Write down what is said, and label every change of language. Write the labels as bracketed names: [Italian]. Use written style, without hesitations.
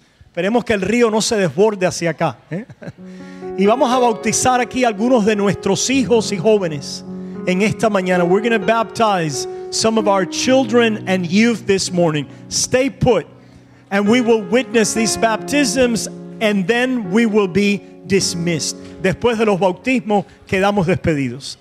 [Spanish] Esperemos que el río no se desborde hacia acá. Y vamos a bautizar aquí algunos de nuestros hijos y jóvenes en esta mañana. [English] We're going to baptize some of our children and youth this morning. Stay put. And we will witness these baptisms and then we will be dismissed. [Spanish] Después de los bautismos, quedamos despedidos.